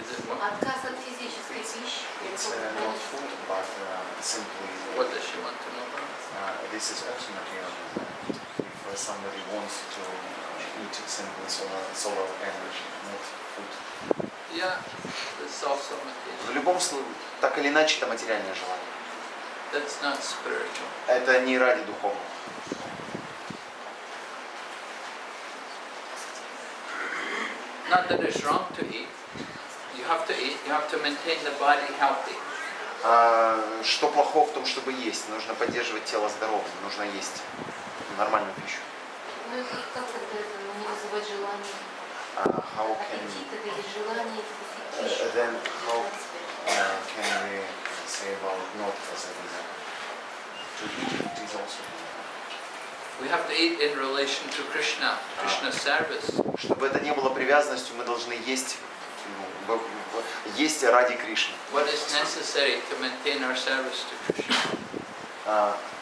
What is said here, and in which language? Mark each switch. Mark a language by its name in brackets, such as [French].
[English] what? It's not food, but simply. What does she want to know about? This is also material. If somebody wants to eat simply solar energy, not food. Yeah, it's also material. [Russian] В любом случае, так или иначе, это материальное желание. [English] That's not spiritual. [Russian] Это не ради духовного. [English] Not that it's wrong to eat. You have to eat. You have to maintain the body healthy. [Russian] Что плохого в том, чтобы есть? Нужно поддерживать тело здоровым. Нужно есть нормальную пищу. Ну и как тогда это не вызывать желание? [English] How can we? Then how can we say about not as a reason? We have to eat in relation to Krishna, Krishna's service. [Russian] Чтобы это не было привязанностью, мы должны есть ради Кришны. [English] What is necessary to maintain our service to Krishna?